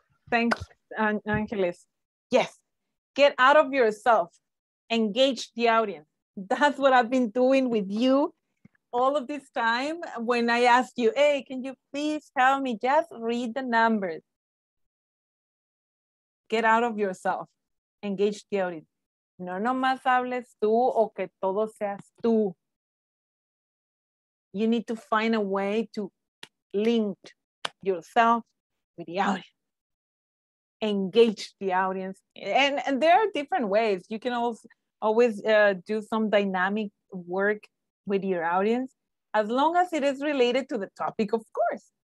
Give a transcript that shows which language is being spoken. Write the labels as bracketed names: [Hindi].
[English] Thanks, Angeles. Yes. Get out of yourself. Engage the audience. That's what I've been doing with you all of this time. When I ask you, hey, can you please tell me, just read the numbers. Get out of yourself. Engage the audience. [Spanish] No nomás hables tú o que todo seas tú. [English] You need to find a way to link yourself with the audience. Engage the audience. And there are different ways. You can also always do some dynamic work with your audience, as long as it is related to the topic, of course.